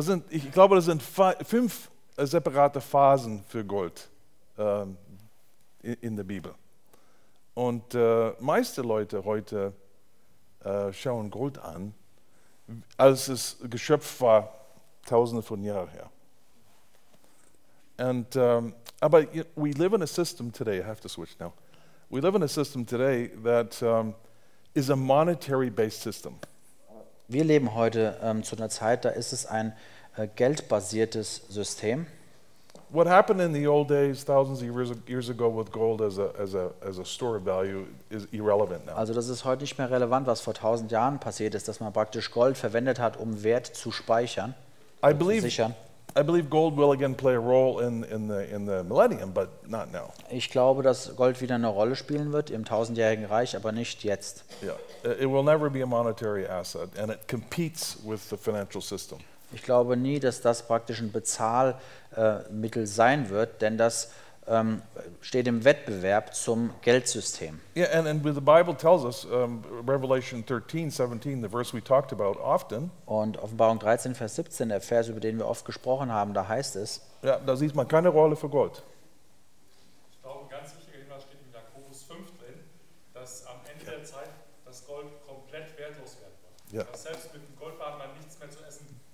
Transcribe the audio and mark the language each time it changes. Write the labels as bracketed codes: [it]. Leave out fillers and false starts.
[de] Ich glaube, da sind 5 separate Phasen für Gold in der Bibel. Und meiste Leute heute schauen Gold an, als es geschöpft war, tausende von Jahren her. [en] And but we live in a system today. I have to switch now. We live in a system today that is a monetary-based system. [de] Wir leben heute zu einer Zeit, da ist es ein geldbasiertes System. [en] What happened in the old days, thousands of years ago, with gold as a store of value is irrelevant now. [de] Also das ist heute nicht mehr relevant, was vor 1000 Jahren passiert ist, dass man praktisch Gold verwendet hat, um Wert zu speichern. [en] I believe gold will again play a role in the millennium, but not now. [de] Ich glaube, dass Gold wieder eine Rolle spielen wird im tausendjährigen Reich, aber nicht jetzt. [en] Yeah, it will never be a monetary asset, and it competes with the financial system. [de] Ich glaube nie, dass das praktisch ein Bezahlmittel sein wird, denn das steht im Wettbewerb zum Geldsystem. [en] Yeah, and the Bible tells us, Revelation 13:17, the verse we talked about often. [de] Und Offenbarung 13, Vers 17, der Vers, über den wir oft gesprochen haben, da heißt es. Ja, da sieht man keine Rolle für Gold. Ich glaube, ein ganz wichtiger Hinweis steht in Jakobus 5 drin, dass am Ende der Zeit das Gold komplett wertlos werden wird. [en] Yeah. [de] Dass selbst mit dem Goldbarren man nichts mehr zu essen kann.